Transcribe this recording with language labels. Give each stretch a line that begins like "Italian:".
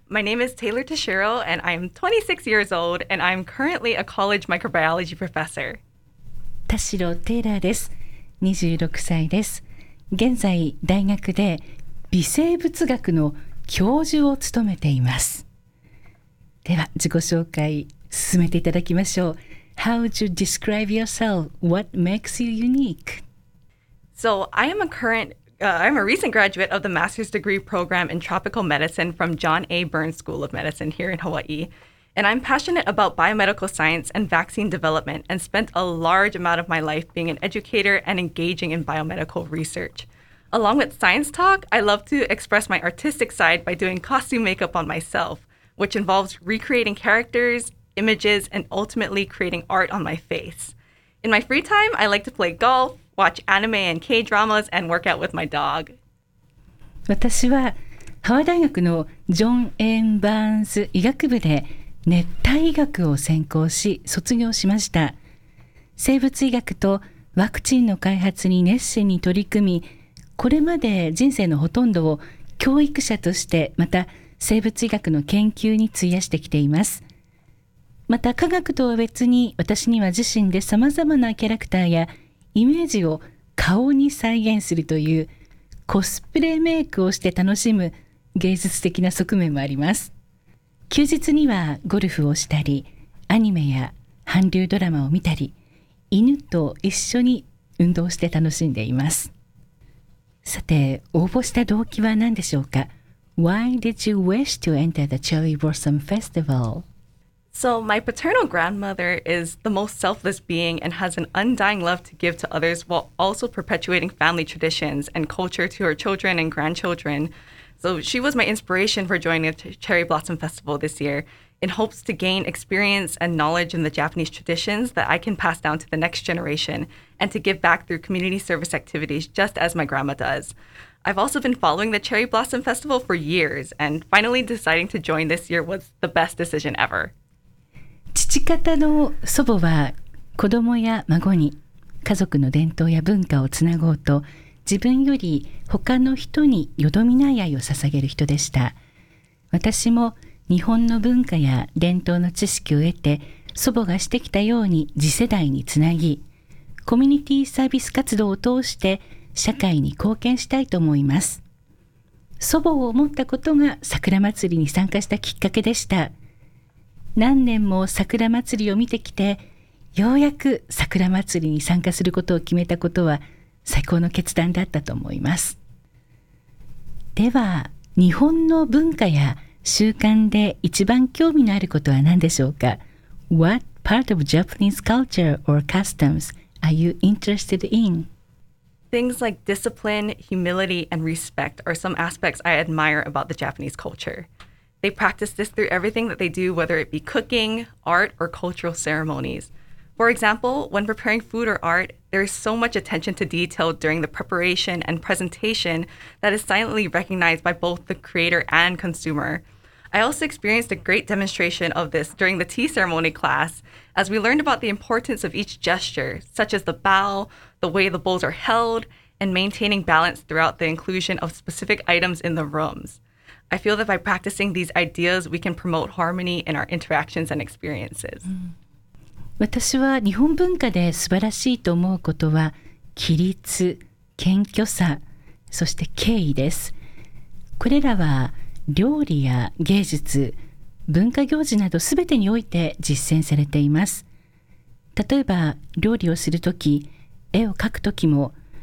English: My name is Taylor Tashiro, and I am 26 years old, and I am currently a college microbiology professor.
Japanese: Tashiro Taylor です。 26歳です。現在、大学で微生物学の教授を務めています。では、自己紹介、進めていただきましょう。
English: How would you describe yourself? What makes you unique? So, I am a current... I'm a recent graduate of the master's degree program in tropical medicine from John A. Burns School of Medicine here in Hawaii. And I'm passionate about biomedical science and vaccine development and spent a large amount of my life being an educator and engaging in biomedical research. Along with science talk, I love to express my artistic side by doing costume makeup on myself, which involves recreating characters, images, and ultimately creating art on my face. In my free time, I like to play golf,Watch anime and K-dramas and work out with my dog.
Japanese: 私はハワイ大学のジョン・エン・バーンズ医学部で熱帯医学を専攻し卒業しました。生物医学とワクチンの開発に熱心に取り組み、これまで人生のほとんどを教育者として、また生物医学の研究に費やしてきています。また科学とは別に、私には自身で様々なキャラクターやイメージを顔に再現するというコスプレメイクをして楽しむ芸術的な側面もあります。休日にはゴルフをしたり、アニメや韓流ドラマを見たり、犬と一緒に運動して楽しんでいます。さて、応募した動機は何でしょうか？
English: Why did you wish to enter the Cherry Blossom Festival? So my paternal grandmother is the most selfless being and has an undying love to give to others while also perpetuating family traditions and culture to her children and grandchildren. So she was my inspiration for joining the Cherry Blossom Festival this year in hopes to gain experience and knowledge in the Japanese traditions that I can pass down to the next generation and to give back through community service activities just as my grandma does. I've also been following the Cherry Blossom Festival for years, and finally deciding to join this year was the best decision ever.
Japanese: 父方の祖母は子供や孫に家族の伝統や文化をつなごうと、自分より他の人によどみない愛を捧げる人でした。私も日本の文化や伝統の知識を得て、祖母がしてきたように次世代につなぎ、コミュニティサービス活動を通して社会に貢献したいと思います。祖母を思ったことが桜祭りに参加したきっかけでした。何年も桜祭りを見てきて、ようやく桜祭りに参加することを決めたことは最高の決断だったと思います。では日本の文化や習慣で一番興味のあることは何でしょうか？
English: What part of Japanese culture or customs are you interested in? Things like discipline, humility, and respect are some aspects I admire about the Japanese culture. They practice this through everything that they do, whether it be cooking, art, or cultural ceremonies. For example, when preparing food or art, there is so much attention to detail during the preparation and presentation that is silently recognized by both the creator and consumer. I also experienced a great demonstration of this during the tea ceremony class, as we learned about the importance of each gesture, such as the bow,the way the bowls are held, and maintaining balance throughout the inclusion of specific items in the rooms. I feel that by practicing these ideas, we can promote harmony in our interactions and experiences.
Japanese: 私は日本文化で素晴らしいと思うことは、規律、謙虚さ、そして敬意です。これらは料理や芸術、文化行事など全てにおいて実践されています。例えば、料理をするとき、絵を描くときも、